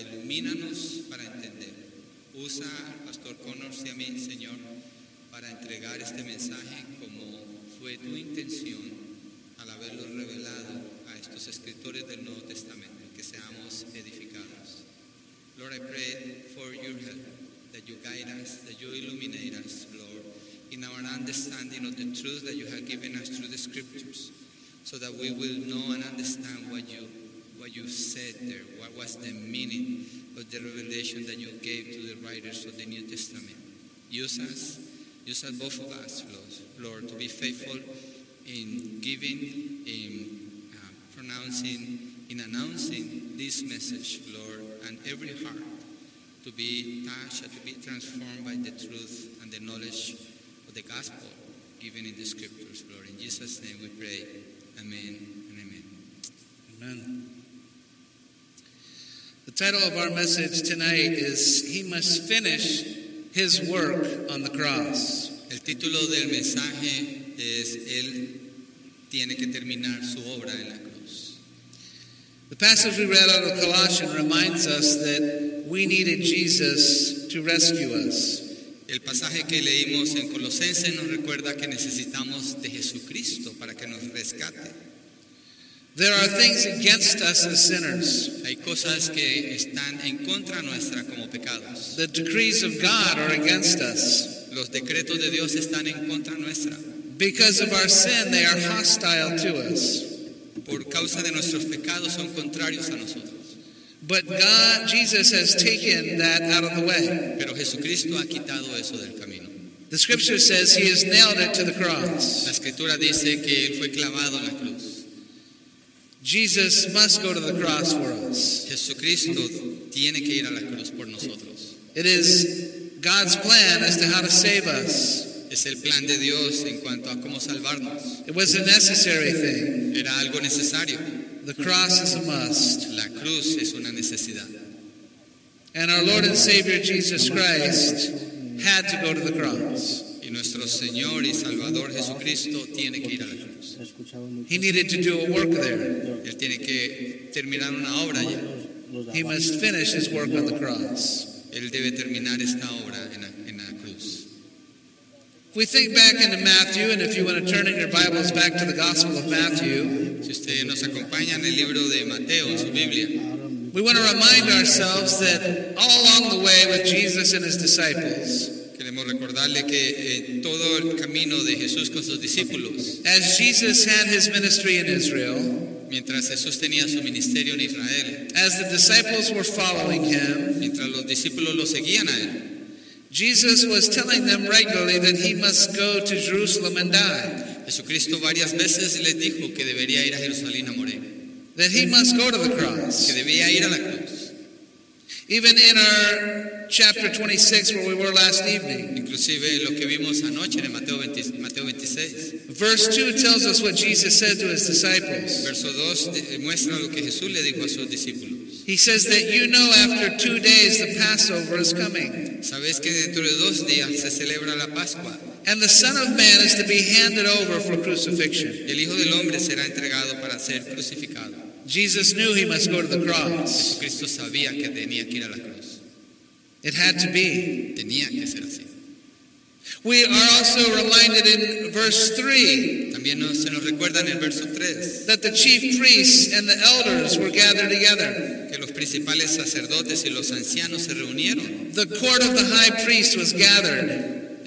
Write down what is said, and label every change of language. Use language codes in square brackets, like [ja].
[es] Ilumínanos para entender. Usa al Pastor Connors y a mí, Señor, para entregar este mensaje como fue tu intención al haberlo revelado a estos escritores del Nuevo Testamento, que seamos edificados. [en] Lord, I pray for your help, that you guide us, that you illuminate us, Lord, in our understanding of the truth that you have given us through the scriptures, so that we will know and understand what you said there, what was the meaning of the revelation that you gave to the writers of the New Testament. Use us both of us, Lord, to be faithful in giving, in pronouncing, in announcing this message, Lord, and every heart to be touched and to be transformed by the truth and the knowledge of the gospel given in the scriptures, Lord. In Jesus' name we pray. Amen and amen. Amen. The title of our message tonight is He Must Finish His Work on the Cross. [es] El título del mensaje es Él tiene que terminar su obra en la cruz. [en] The passage we read out of Colossians reminds us that we needed Jesus to rescue us. [es] El pasaje que leímos en Colosenses nos recuerda que necesitamos de Jesucristo para que nos rescate. [en] There are things against us as sinners. [es] Hay cosas que están en contra nuestra como pecados. [en] The decrees of God are against us. [es] Los decretos de Dios están en contra nuestra. [en] Because of our sin, they are hostile to us. [es] Por causa de nuestros pecados son contrarios a nosotros. [en] But God, Jesus has taken that out of the way. [es] Pero Jesucristo ha quitado eso del camino. [en] The scripture says he has nailed it to the cross. [es] La escritura dice que él fue clavado en la cruz. [en] Jesus must go to the cross for us. [es] Jesucristo tiene que ir a la cruz por nosotros. [en] It is God's plan as to how to save us. [es] Es el plan de Dios en cuanto a cómo salvarnos. [en] It was a necessary thing. [es] Era algo necesario. [en] The cross is a must. [es] La cruz es una necesidad. [en] And our Lord and Savior Jesus Christ had to go to the cross. [es] Y nuestro Señor y Salvador Jesucristo tiene que ir a la cruz. [en] He needed to do a work there. [es] Él tiene que terminar una obra allá. [en] He must finish his work on the cross. [es] Él debe terminar esta obra en la cruz. [en] If we think back into Matthew, and if you want to turn in your Bibles back to the Gospel of Matthew, [es] si usted nos acompaña en el libro de Mateo, en su Biblia, [en] we want to remind ourselves that all along the way with Jesus and his disciples, [es] queremos recordarle que todo el camino de Jesús con sus discípulos, [en] as Jesus had his ministry in Israel, [es] mientras Jesús tenía su ministerio en Israel, [en] as the disciples were following him, [es] mientras los discípulos lo seguían a él, [en] Jesus was telling them regularly that he must go to Jerusalem and die. [es] Jesucristo varias veces les dijo que debería ir a Jerusalén a morir. [en] That he must go to the cross. [es] Que debía ir a la cruz. [en] Even in our chapter 26, where we were last evening. [es] Inclusive lo que vimos anoche en Mateo 26. [en] Verse 2 tells us what Jesus said to his disciples. [es] Verso 2 muestra lo que Jesús le dijo a sus discípulos. [en] He says that you know after 2 days the Passover is coming. [es] Sabes que dentro de 2 días se celebra la Pascua. [en] And the Son of Man is to be handed over for crucifixion. [es] El Hijo del Hombre será entregado para ser crucificado. [en] Jesus knew he must go to the cross. [es] Jesucristo sabía que tenía que ir a la cruz. [en] It had to be. [es] Tenía que ser así. [en] We are also reminded in verse 3. [es] También se nos recuerda en el verso 3. [en] That the chief priests and the elders were gathered together. [es] Que los principales sacerdotes y los ancianos se reunieron. [en] The court of the high priest was gathered.